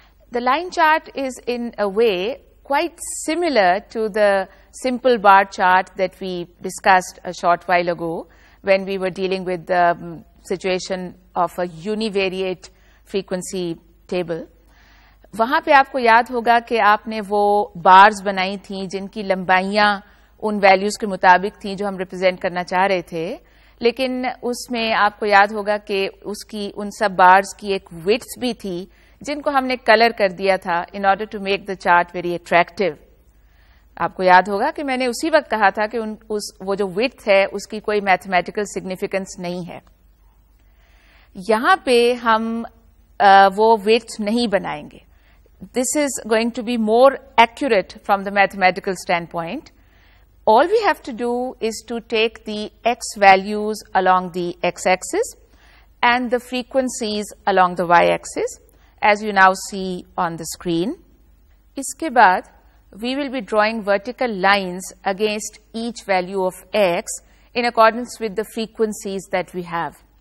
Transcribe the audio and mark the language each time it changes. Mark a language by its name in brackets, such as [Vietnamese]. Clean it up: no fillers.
[English] The line chart is in a way quite similar to the simple bar chart that we discussed a short while ago when we were dealing with the situation of a univariate frequency table. [Urdu] وہاں پہ آپ کو یاد ہوگا کہ آپ نے وہ بارز بنائی تھیں جن کی لمبائیاں ان ویلیوز کے مطابق تھیں جو ہم ریپرزینٹ کرنا چاہ رہے تھے, لیکن اس میں آپ کو یاد ہوگا کہ اس کی ان سب بارز کی ایک ویڈتھ بھی تھی جن کو ہم نے کلر کر دیا تھا [English] In order to make the chart very attractive. [Urdu] آپ کو یاد ہوگا کہ میں نے اسی وقت کہا تھا کہ وہ جو ویڈتھ ہے اس کی کوئی میتھمیٹیکل سگنیفیکنس نہیں ہے. یہاں پہ ہم وہ ویڈتھ نہیں بنائیں گے. [English] This is going to be more accurate from the mathematical standpoint. All we have to do is to take the x values along the x-axis and the frequencies along the y-axis, as you now see on the screen. [Urdu] Iske baad, [English] we will be drawing vertical lines against each value of x in accordance with the frequencies that we have.